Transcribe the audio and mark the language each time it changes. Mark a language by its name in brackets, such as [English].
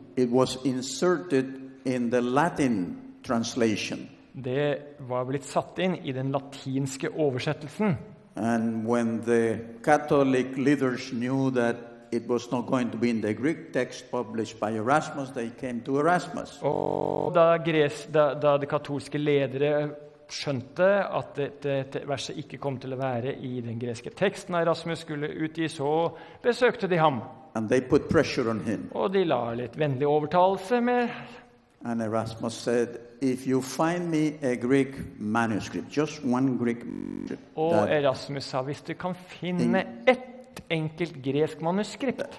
[English] It was inserted in the Latin translation. [Norwegian] Det var blitt satt inn i den latinske oversettelsen. [English] And when the Catholic leaders knew that it was not going to be in the Greek text published by Erasmus, they came to Erasmus. [Norwegian] Da de katolske ledere skjønte at dette verset ikke kom til å være i den greske teksten Erasmus skulle utgi, så besøkte de ham. [English] And they put pressure on him. [Norwegian] Og de la litt vennlig overtalelse med. [English] And Erasmus said, if you find me a Greek manuscript, just one Greek manuscript. [Norwegian] Og Erasmus sa, hvis du kan finne ett enkelt gresk manuskript.